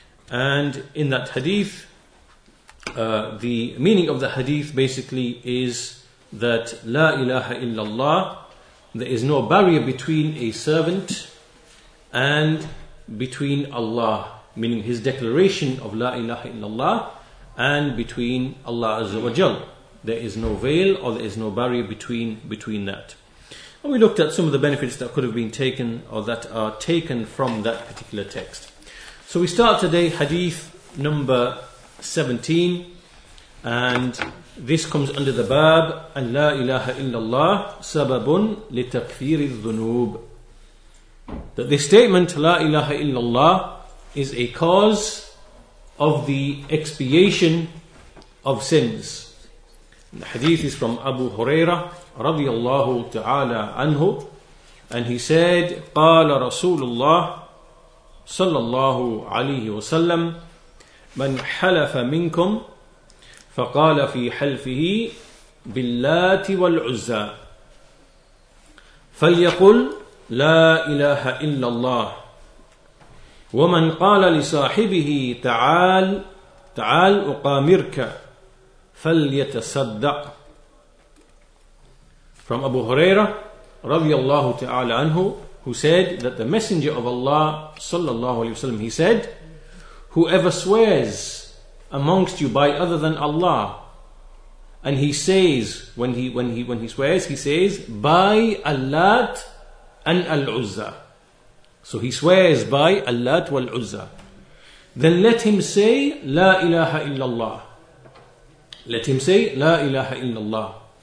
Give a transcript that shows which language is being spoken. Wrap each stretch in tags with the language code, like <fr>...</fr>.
<en>And in that hadith, the meaning of the hadith basically is that La ilaha illallah, there is no barrier between a servant and between Allah, meaning his declaration of La ilaha illallah and between Allah Azza wa Jal. There is no veil or there is no barrier between that. And we looked at some of the benefits that could have been taken or that are taken from that particular text. So we start today hadith number 17, and this comes under the bab</en> <ar>أن لا إله إلا الله سبب لتكفير الذنوب.</ar> <en>That this statement</en> <ar>لا إله إلا الله</ar> <en>is a cause of the expiation of sins. And the hadith is from Abu Hurairah</en> <ar>رضي الله تعالى عنه,</ar> <en>and he said</en> <ar>قال رسول الله صلى الله عليه وسلم من حلف منكم فقال في حلفه باللات والعزى فليقل لا إله إلا الله ومن قال لصاحبه تعال تعال أقامرك فليتصدق.</ar> <en>From Abu Huraira</en> <ar>رضي الله تعالى عنه,</ar> <en>who said that the Messenger of Allah sallallahu alaihi wasallam, he said, whoever swears amongst you by other than Allah, and he says, when he swears, he says by Allat and Al-Uzza, so he swears by Allat wal-Uzza, then let him say La ilaha illallah, let him say La ilaha illallah.</en>